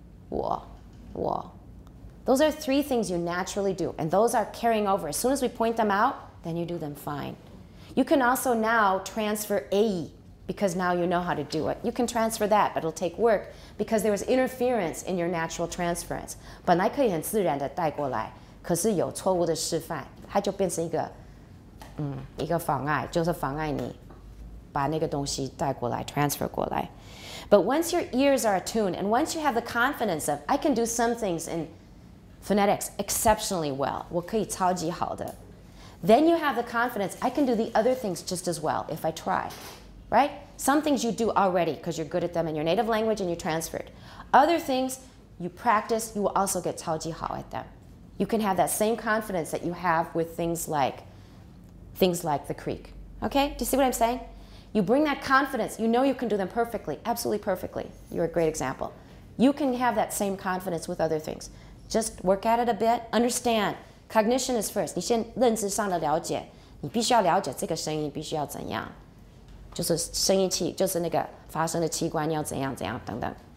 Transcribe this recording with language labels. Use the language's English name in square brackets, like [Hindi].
[English] Wa, wa. Those are three things you naturally do, and those are carrying over. As soon as we point them out, then you do them fine. You can also now transfer a, because now you know how to do it. You can transfer that, but it'll take work because there was interference in your natural transference. [Chinese] 本来可以很自然地带过来，可是有错误的示范，它就变成一个妨碍，就是妨碍你把那个东西带过来，transfer过来。 [English] But once your ears are attuned, and once you have the confidence of, I can do some things in phonetics exceptionally well, [Chinese] 我可以超级好的, [English] then you have the confidence, I can do the other things just as well if I try, right? Some things you do already because you're good at them in your native language and you transferred. Other things you practice, you will also get [Chinese] 超级好 [English] at them. You can have that same confidence that you have with things like the creek. Okay, do you see what I'm saying? You bring that confidence. You know you can do them perfectly, absolutely perfectly. You're a great example. You can have that same confidence with other things. Just work at it a bit. Understand. Cognition is first. [Chinese] 你先认识上的了解，你必须要了解这个声音必须要怎样，就是声音器，就是那个发声的器官要怎样怎样等等。